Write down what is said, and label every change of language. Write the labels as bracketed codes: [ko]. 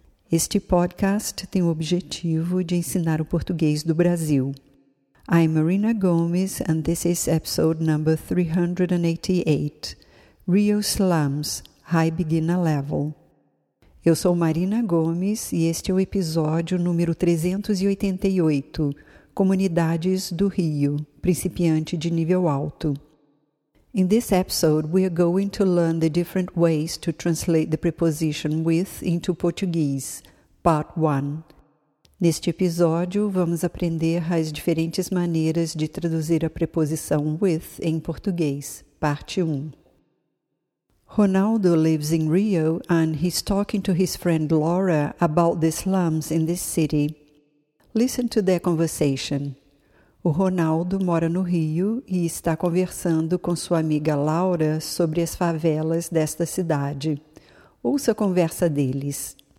[pt] Este podcast tem o objetivo de ensinar o português do Brasil. [en] I'm Marina Gomes and this is episode number 388, Rio Slums, High Beginner Level. [pt] Eu sou Marina Gomes e este é o episódio número 388, Comunidades do Rio, principiante de nível alto. [en] In this episode, we are going to learn the different ways to translate the preposition with into Portuguese, part 1. [pt] Neste episódio, vamos aprender as diferentes maneiras de traduzir a preposição with em português, parte 1. [en] Ronaldo lives in Rio and he's talking to his friend Laura about the slums in this city. Listen to their conversation. [pt] O Ronaldo mora no Rio e está conversando com sua amiga Laura sobre as favelas desta cidade. Ouça a conversa deles.